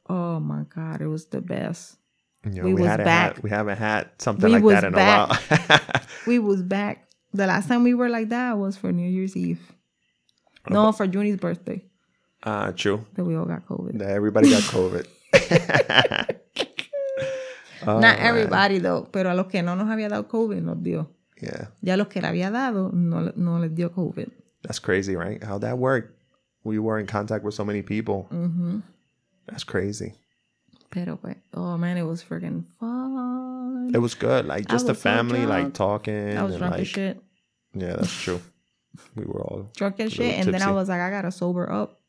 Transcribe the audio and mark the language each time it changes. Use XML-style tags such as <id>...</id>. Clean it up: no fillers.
<en>Oh my God. It was the best. Yeah, we was back. We haven't had something like that in a while. We was back. The last time we were like that was for New Year's Eve. No, for Junie's birthday. True. That we all got COVID. That everybody got COVID. Not everybody, though.</en> <es>Pero a los que no nos había dado COVID, nos dio.</es> <en>Yeah.</en> <es>Ya los que le había dado, no les dio COVID.</es> <en>That's crazy, right? How'd that work? We were in contact with so many people. Mm-hmm. That's crazy. Pero, oh, man, it was freaking fun. It was good. Like, just the family, like, talking. I was drunk as shit. Yeah, that's true. We were all drunk as shit. And then I was like, I gotta sober up.</en>